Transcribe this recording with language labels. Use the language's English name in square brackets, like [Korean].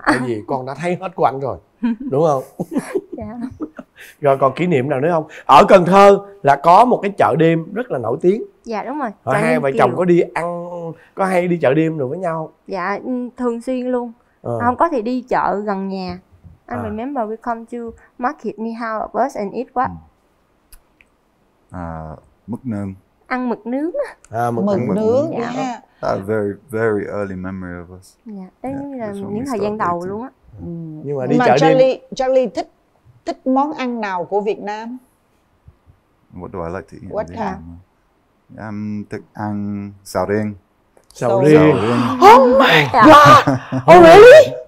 [Vietnamese] Tại vì con đã thấy hết của anh rồi. Đúng không? Dạ. Rồi còn kỷ niệm nào nữa không? Ở Cần Thơ là có một cái chợ đêm rất là nổi tiếng. Dạ đúng rồi. Hai vợ kiểu... chồng có đi ăn, có hay đi chợ đêm được với nhau? Dạ thường xuyên luôn. Không có thì đi chợ gần nhà. [English] I remember we come to market me how of us and eat what? [Vietnamese] Mực nướng. Ăn mực nướng. Mực nướng. Dạ. [English] Yeah. That's a very very early memory of us. [Vietnamese] Dạ. [English] Yeah. Yeah. [Vietnamese] Là những thời gian đầu luôn á. Nhưng mà đi chợ đêm. Charlie thích món ăn nào của Việt Nam? [English] What do I like to eat? What kind? I'm [Vietnamese] thích ăn sầu riêng. Sầu riêng. [English] Oh my god. Oh really?